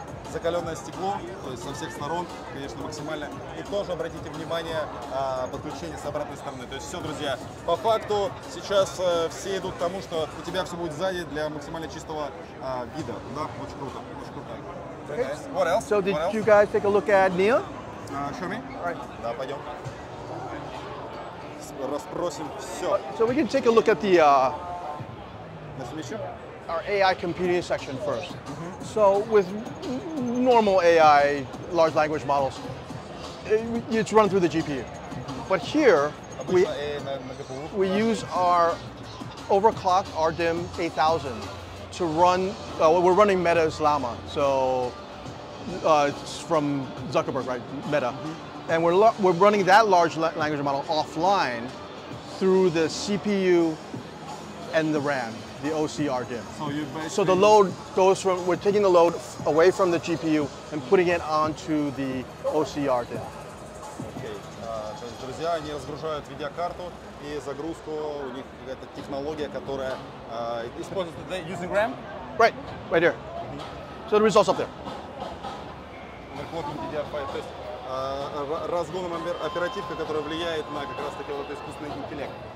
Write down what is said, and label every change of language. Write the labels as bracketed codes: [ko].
[ru] Закаленное стекло, то есть со всех сторон, конечно, максимально. И тоже обратите внимание, подключение с обратной стороны. То есть все, друзья, по факту сейчас все идут к тому, что у тебя все будет сзади для максимально чистого вида. Да, очень круто, очень круто. [en] Okay. What else? So did you guys take a look at Neo? Show me. Right. [ru] Да, пойдем. Расспросим все. [en] So we can take a look at the... [ru] На смещу? [en] Our AI computing section first. Mm-hmm. So with normal AI, large language models, it's run through the GPU. Mm-hmm. But here, we use our overclocked RDIMM 8000 to run, we're running Meta's Llama. So it's from Zuckerberg, right, Meta. Mm-hmm. And we're running that large language model offline through the CPU and the RAM. The OCR did. So the load goes from, we're taking the load away from the GPU and putting it onto the OCR did. Okay. [ru] То есть, друзья, они разгружают видеокарту и загрузку, у них какая-то технология, которая используется, [en] using RAM? Right here. Mm-hmm. So the result's up there. Overclocking DDR5, [ru] то есть разгоном оперативка, которая влияет на как раз таки вот искусственный интеллект.